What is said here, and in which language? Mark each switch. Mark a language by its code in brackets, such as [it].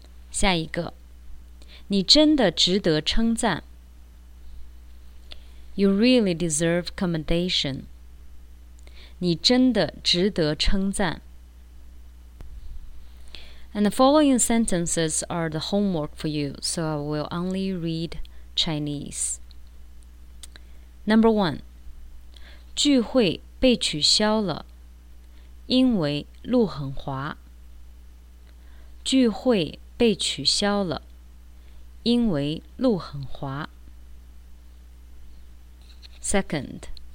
[zh] 下一个，你真的值得称赞。 [en] You really deserve commendation. [zh] 你真的值得称赞。 [en] And the following sentences are the homework for you, so I will only read Chinese. Number one, [zh] 聚会被取消了，因为路很滑。聚会被取消了，因为路很滑。 [en] Second,